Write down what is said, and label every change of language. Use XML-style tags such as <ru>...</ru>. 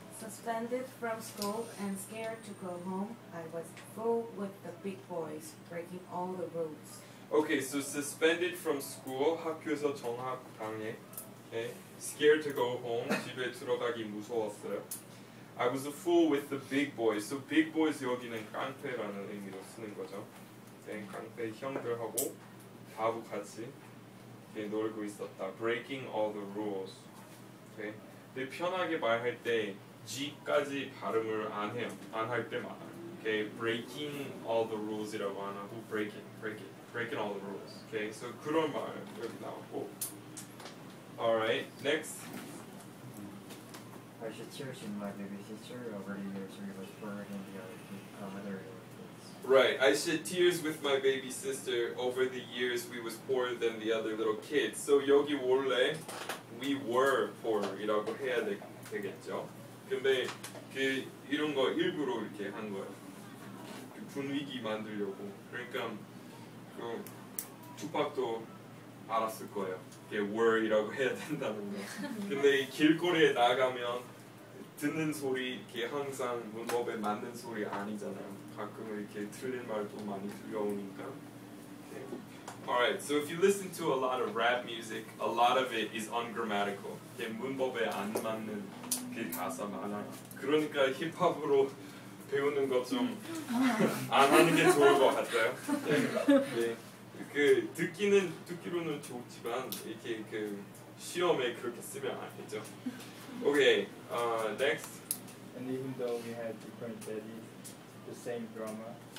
<en>Suspended from school and scared to go home, I was full with the big boys, breaking all the rules. Okay, so suspended from school,</en> <ko>학교에서 정학 당해.</ko> <en>Okay. Scared to go home,</en> <ko>집에 들어가기 무서웠어요.</ko> <en>I was a fool with the big boys.</en> <ko>So</ko> <en>big boys</en> <ko>여기는 깡패라는 의미로 쓰는 거죠. 깡패 형들하고 바보같이 놀고 있었다.</ko> <en>Breaking all the rules. Okay.</en> <ko>근데 편하게 말할 때 G까지 발음을 안 해요. 안 할 때마다.</ko> <en>Okay. Breaking all the rules이라고</en> <ko>안 하고</ko> <en>breaking all the rules. Okay.</en> <ko>So 그런 말 여기 나왔고.</ko> <en>Alright, next. I should cherish my baby sister over the years she was buried in the other little kids. Right, I shed tears with my baby sister over the years we was poorer than the other little kids.</en> <ko>So 여기 원래</ko> <en>we were poor</en> <ko>이라고 해야 되겠죠. 근데 그 이런 거 일부러 이렇게 한 거예요. 그 분위기 만들려고. 그러니까 그 투팍도 알았을 거예요. 이게 were이라고 해야 된다는 거. 근데 길거리에 나가면 듣는 소리 이게 항상 문법에 맞는 소리 아니잖아요. 가끔 이렇게 틀린 말도 많이 들려오니까.</ko> <en>Okay. Alright, so if you listen to a lot of rap music, a lot of it is ungrammatical.</en> <ko>이게 문법에 안 맞는 그 가사 많아요. 그러니까 힙합으로 배우는 것 좀 안 하는 게 좋을 것 같아요. 네. 네. 그 듣기는 듣기로는 좋지만 이렇게 그 시험에 그렇게 쓰면 안 되죠.</ko> <en>Okay, next. And even though we had different daddies, the same drama.</en>